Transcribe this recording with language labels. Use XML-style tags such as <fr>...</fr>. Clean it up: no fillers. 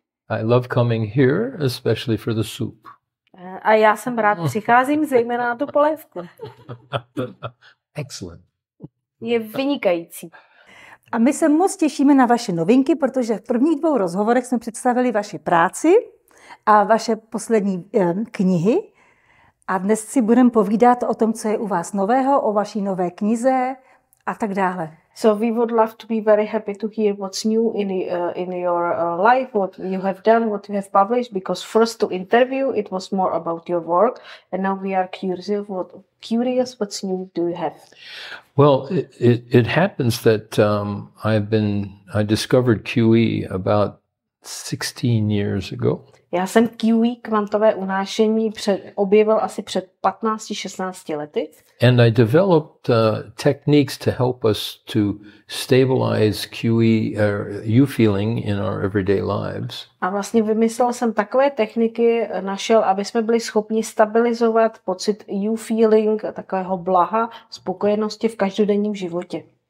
<en>I love coming here, especially for the soup.</en> <cs>A já jsem rád, přicházím zejména na tu polévku.</cs> <en>Excellent.</en> <cs>Je vynikající. A my se moc těšíme na vaše novinky, protože v prvních dvou rozhovorech jsme představili vaši práci a vaše poslední knihy. A dnes si budeme povídat o tom, co je u vás nového, o vaší nové knize a tak dále.</cs> <en>So we would love to be very happy to hear what's new in your life, what you have done, what you have published, because first to interview, it was more about your work, and now we are curious what's new do you have? Well, it happens that I discovered QE about 16 years ago.</en> <cs>Já jsem QE, kvantové unášení, objevil asi před 15-16 lety.</cs> <en>And I developed techniques to help us to stabilize QE, or you feeling, in our everyday lives.</en> <cs>A vlastně vymyslel jsem takové techniky, našel, aby jsme byli schopni stabilizovat pocit you feeling, takového blaha, spokojenosti v každodenním životě.</cs>